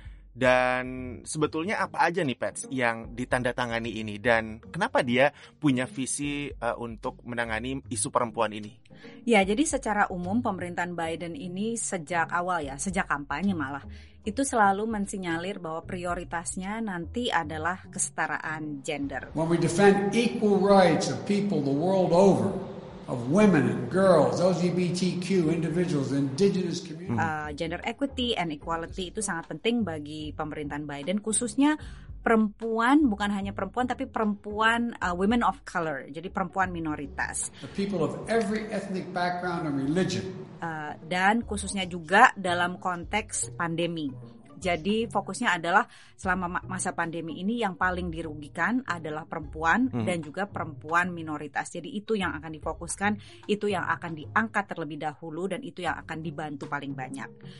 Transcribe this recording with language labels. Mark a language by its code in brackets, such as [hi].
[id] Dan sebetulnya apa aja nih, Pets, yang ditandatangani ini, dan kenapa dia punya visi untuk menangani isu perempuan ini? Ya, jadi secara umum pemerintahan Biden ini sejak awal ya, sejak kampanye malah, itu selalu mensinyalir bahwa prioritasnya nanti adalah kesetaraan gender. [en] When we defend equal rights of people the world over, of women and girls, LGBTQ individuals, indigenous communities. Gender equity and equality [id] itu sangat penting bagi pemerintahan Biden, khususnya perempuan, bukan hanya perempuan, tapi perempuan [en] women of color, [id] jadi perempuan minoritas. [en] The people of every ethnic background and religion. [id] Dan khususnya juga dalam konteks pandemi. Jadi fokusnya adalah selama masa pandemi ini yang paling dirugikan adalah perempuan dan juga perempuan minoritas. Jadi itu yang akan difokuskan, itu yang akan diangkat terlebih dahulu, dan itu yang akan dibantu paling banyak.